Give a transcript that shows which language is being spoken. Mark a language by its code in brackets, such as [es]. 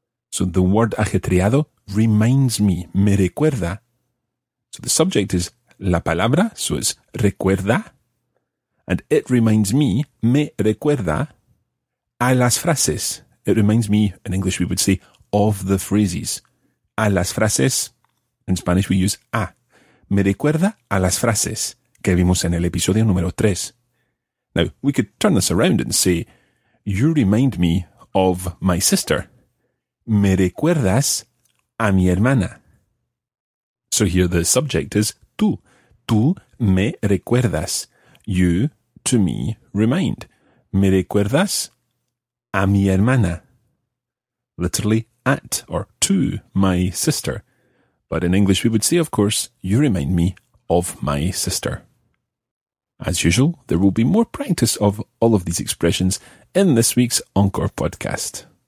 [en] So the word ajetreado reminds me, [es] me recuerda. [en] So the subject is [es] la palabra, [en] so it's recuerda. And it reminds me, [es] me recuerda, a las frases. [en] It reminds me, in English we would say, of the phrases. [es] A las frases, [en] in Spanish we use a. [es] Me recuerda a las frases que vimos en el episodio número 3. [en] Now, we could turn this around and say, you remind me of my sister. [es] Me recuerdas a mi hermana. [en] So here the subject is [es] tú. Tú me recuerdas. [en] You, to me, remind. [es] Me recuerdas a mi hermana. [en] Literally, at or to my sister. But in English we would say, of course, you remind me of my sister. As usual, there will be more practice of all of these expressions in this week's Encore podcast.